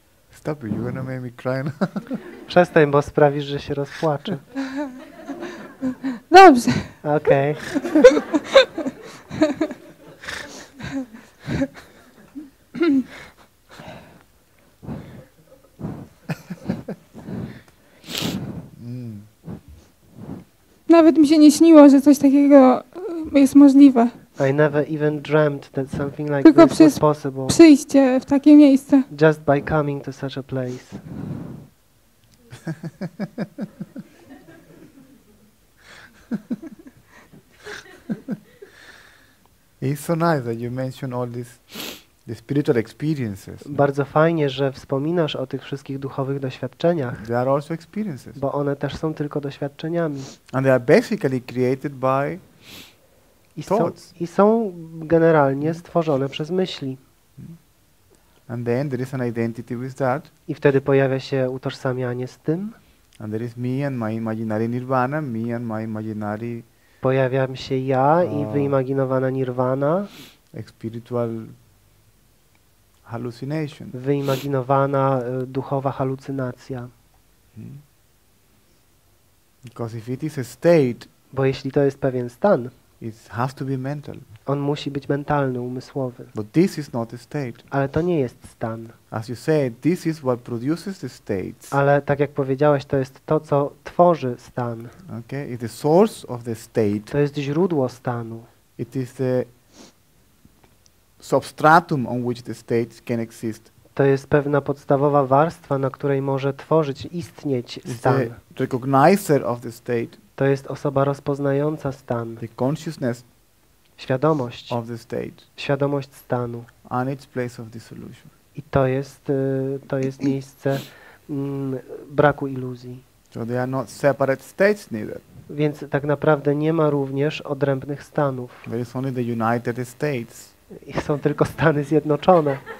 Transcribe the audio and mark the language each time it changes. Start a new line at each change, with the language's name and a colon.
English: Stop it, you're gonna make me cry now.
Polish: Przestań, bo sprawisz, że się rozpłaczę. Dobrze. Okej. Nawet mi się nie śniło, że coś takiego jest możliwe.
English: I never even dreamt that something like tylko this was possible.
Polish: Tylko przyjście w takie miejsce.
English: Just by coming to such a place. It's so nice that you mention all this, the spiritual experiences.
Polish: Bardzo fajnie, że wspominasz o tych wszystkich duchowych doświadczeniach.
English: They are also experiences.
Polish: Bo one też są tylko doświadczeniami.
English: And they are basically created by thoughts.
Polish: I są generalnie stworzone przez myśli.
English: And then there is an identity with that.
Polish: I wtedy pojawia się utożsamianie z tym.
English: And there is me and my imaginary nirvana, me and my imaginary.
Polish: Pojawiam się ja i wyimaginowana nirwana.
English: Spiritual hallucination.
Polish: Wyimaginowana duchowa halucynacja.
English: Hmm. Because if it is a state,
Polish: bo jeśli to jest pewien stan,
English: it has to be mental.
Polish: On musi być mentalny, umysłowy.
English: But this is not a state.
Polish: Ale to nie jest stan.
English: As you say, this is what produces the states.
Polish: Ale tak jak powiedziałeś, to jest to, co tworzy stan.
English: Okay, it's the source of the state.
Polish: To jest źródło stanu.
English: It is the substratum on which the state can exist.
Polish: To jest pewna podstawowa warstwa, na której może tworzyć, istnieć stan.
English: It's the recognizer of the state.
Polish: To jest osoba rozpoznająca stan.
English: The consciousness.
Polish: Świadomość.
English: Of the stage.
Polish: Świadomość stanu.
English: And its place of dissolution.
Polish: I to jest miejsce braku iluzji.
English: So they are not separate states neither.
Polish: Więc tak naprawdę nie ma również odrębnych stanów.
English: There is only the United States.
Polish: I są tylko Stany Zjednoczone.